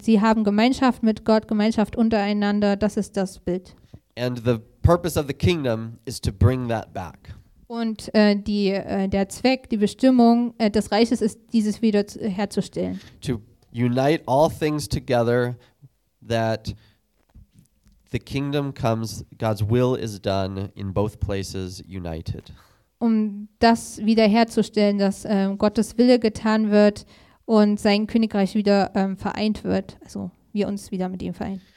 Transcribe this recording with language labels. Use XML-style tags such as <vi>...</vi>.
<de>Sie haben Gemeinschaft mit Gott, Gemeinschaft untereinander. Das ist das Bild.</de> <en>And the purpose of the kingdom is to bring that back.</en> <de>Und der Zweck, die Bestimmung des Reiches ist, dieses wieder herzustellen.</de> <en>To unite all things together, that the kingdom comes, God's will is done in both places united.</en> <de>Um das wiederherzustellen, dass Gottes Wille getan wird und sein Königreich wieder vereint wird, also wir uns wieder mit ihm vereinen.</de>